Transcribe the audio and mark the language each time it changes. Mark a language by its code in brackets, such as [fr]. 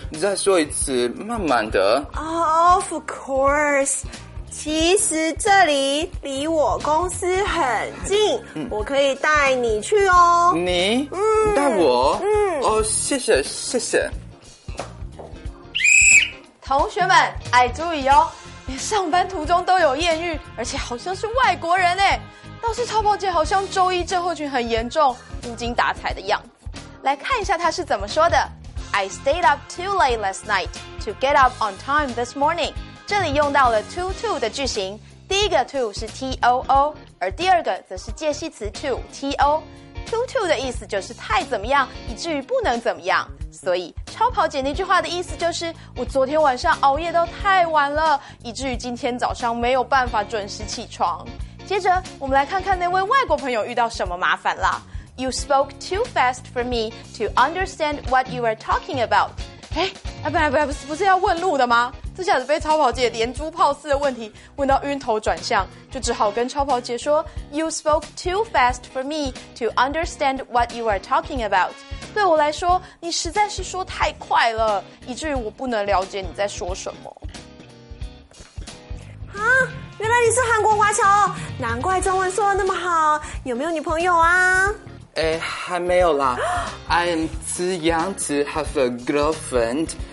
[zh] 再说一次，慢慢的。 [en] Of course。 [zh] 其实这里离我公司很近，我可以带你去哦。你？带我？谢谢谢谢。同学们，爱注意哦，连上班途中都有艳遇，而且好像是外国人哎。倒是超跑姐好像周一症候群很严重，无精打采的样子。来看一下她是怎么说的 [en] ：I stayed up too late last night to get up on time this morning。 [zh] 这里用到了 too 的句型，第一个 too 是 too， 而第二个则是介系词 to。 too 的意思就是太怎么样，以至于不能怎么样。所以超跑姐那句话的意思就是，我昨天晚上熬夜到太晚了，以至于今天早上没有办法准时起床。接着，我们来看看那位外国朋友遇到什么麻烦了。 [en] You spoke too fast for me to understand what you were talking about。 [zh] 哎，本来不是要问路的吗？这下子被超跑姐连珠炮似的问题问到晕头转向，就只好跟超跑姐说 ： [en] “You spoke too fast for me to understand what you are talking about。” [zh] 对我来说，你实在是说太快了，以至于我不能了解你在说什么。啊，原来你是韩国华侨，难怪中文说的那么好。有没有女朋友啊？哎，还没有啦。 [en] I'm too young to have a girlfriend。